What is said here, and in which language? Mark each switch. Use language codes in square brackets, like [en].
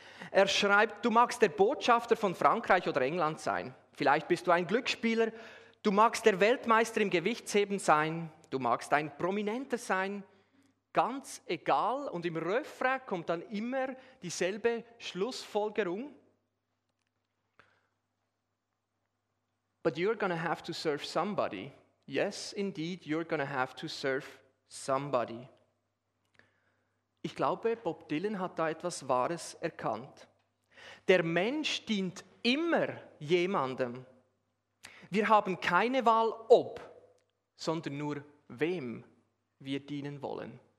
[de] Er schreibt, du magst der Botschafter von Frankreich oder England sein. Vielleicht bist du ein Glücksspieler. Du magst der Weltmeister im Gewichtsheben sein. Du magst ein Prominenter sein. Ganz egal. Und im Refrain kommt dann immer dieselbe Schlussfolgerung. [en] But you're gonna have to serve somebody. Yes, indeed, you're gonna have to serve somebody. [de] Ich glaube, Bob Dylan hat da etwas Wahres erkannt. Der Mensch dient immer jemandem. Wir haben keine Wahl, ob, sondern nur wem wir dienen wollen.